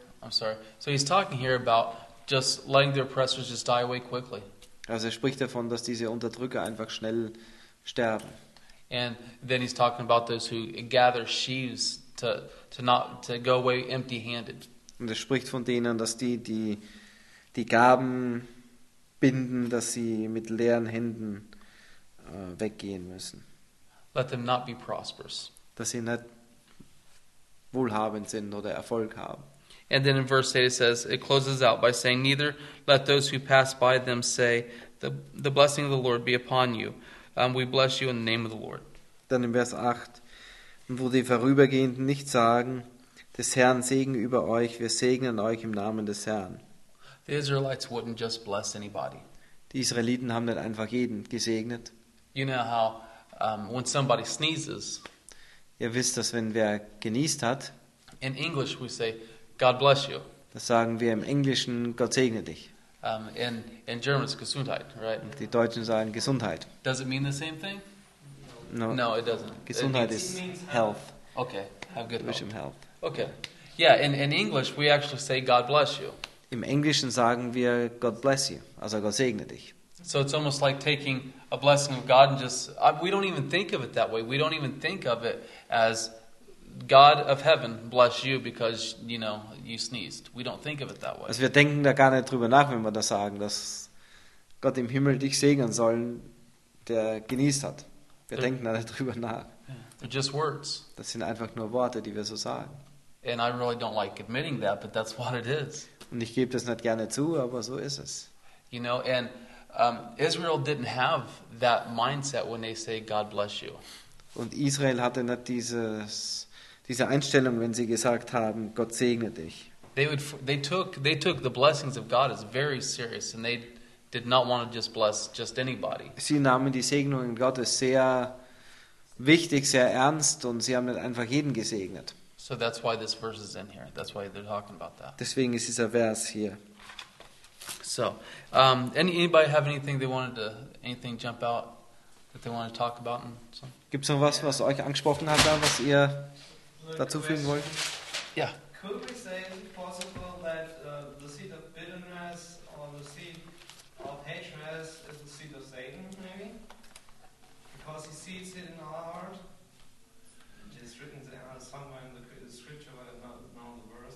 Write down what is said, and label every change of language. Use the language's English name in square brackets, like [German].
[English] So he's talking here about just letting the oppressors just die away quickly. [German] Also er spricht davon, dass diese Unterdrücker einfach schnell sterben. [English] And then he's talking about those who gather sheaves to go away empty-handed. [German] Und er spricht von denen, dass die Gaben binden, dass sie mit leeren Händen weggehen müssen. [English] Let them not be prosperous. [German] Dass sie nicht wohlhabend sind oder Erfolg haben. [English] And then in verse 8 it says, it closes out by saying, neither let those who pass by them say, the blessing of the Lord be upon you. We bless you in the name of the Lord. [German] Dann in Vers 8, wo die Vorübergehenden nicht sagen, des Herrn Segen über euch, wir segnen euch im Namen des Herrn. [English] The Israelites wouldn't just bless anybody. [German] Die Israeliten haben nicht einfach jeden gesegnet. [English] You know how when somebody sneezes. [German] Ihr wisst, dass wenn wer genießt hat. [English] In English we say God bless you. [German] Das sagen wir im Englischen, Gott segne dich. [English] In German it's Gesundheit, right? [German] Und die Deutschen sagen Gesundheit. [English] Does it mean the same thing? No. No, it doesn't. [German] Gesundheit ist health. [English] Okay. Have good wish him health. Okay. Yeah, in English we actually say God bless you. [German] Im Englischen sagen wir [English] God bless you, [German] also Gott segne dich. [English] So it's almost like taking a blessing of God and we don't even think of it that way. We don't even think of it as God of heaven bless you because, you know, you sneezed. We don't think of it that way. [German] Also wir denken da gar nicht drüber nach, wenn wir das sagen, dass Gott im Himmel dich segnen sollen, der genießt hat. Denken da nicht drüber nach. [English] They're just words. [German] Das sind einfach nur Worte, die wir so sagen. [English] And I really don't like admitting that, but that's what it is. [German] Und ich gebe das nicht gerne zu, aber so ist es. [English] You know, and Israel didn't have that mindset when they say God bless you. [German] Und Israel hatte nicht diese Einstellung, wenn sie gesagt haben, Gott segne dich. [English] They took the blessings of God as very serious and they did not want to just bless just anybody. [German] Sie nahmen die Segnungen Gottes sehr wichtig, sehr ernst und sie haben nicht einfach jeden gesegnet. [English] So that's why this verse is in here. That's why they're talking about that. [German] Deswegen ist dieser Vers hier. [English] So, anybody have anything jump out that they wanted to talk about? [German] Gibt's noch was, was euch angesprochen hat, da, was ihr dazu fügen wollt? [English] Yeah. Could we say possible that the seed of bitterness or the seed of hatred is the seed of Satan, maybe? Because he sees it in our heart. It's written somewhere in the scripture, but not in the verse.